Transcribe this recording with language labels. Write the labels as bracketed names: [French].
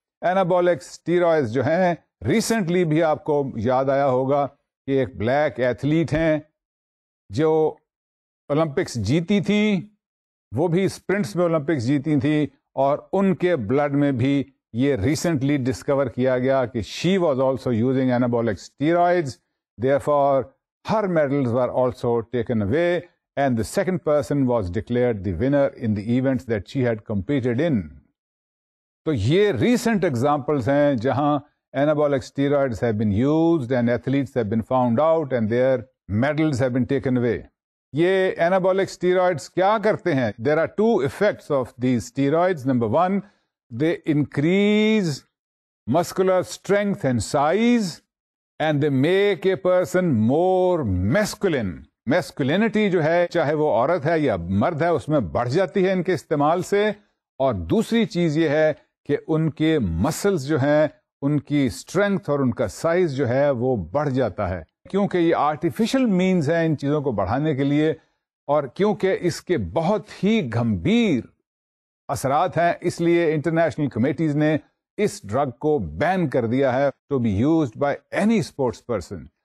[Urdu] Anabolic steroids جو ہیں, recently بھی آپ کو یاد آیا ہوگا کہ ایک بلیک ایتھلیٹ ہیں جو اولمپکس جیتی تھی, وہ بھی اسپرنٹس میں اولمپکس جیتی تھی, اور ان کے بلڈ میں بھی یہ ریسنٹلی ڈسکور کیا گیا کہ [English] She was also using anabolic steroids, therefore her medals were also taken away. And the second person was declared the winner in the events that she had competed in. So, [Urdu] yeh [English] recent examples [Urdu] hain jahan [English] anabolic steroids have been used and athletes have been found out and their medals have been taken away. [Urdu] یہ anabolic steroids کیا کرتے ہیں؟ [English] There are two effects of these steroids. Number one, they increase muscular strength and size and they make a person more masculine. [Urdu] Masculinity جو ہے چاہے وہ عورت ہے یا مرد ہے اس میں بڑھ جاتی ہے ان کے استعمال سے. اور دوسری چیز یہ ہے کہ ان کے مسلز جو ہیں ان کی اسٹرینتھ اور ان کا سائز جو ہے وہ بڑھ جاتا ہے، کیونکہ یہ آرٹیفیشل مینز ہیں ان چیزوں کو بڑھانے کے لیے، اور کیونکہ اس کے بہت ہی گھمبیر اثرات ہیں اس لیے انٹرنیشنل کمیٹیز نے اس ڈرگ کو بین کر دیا ہے [English] To be used by any sports person.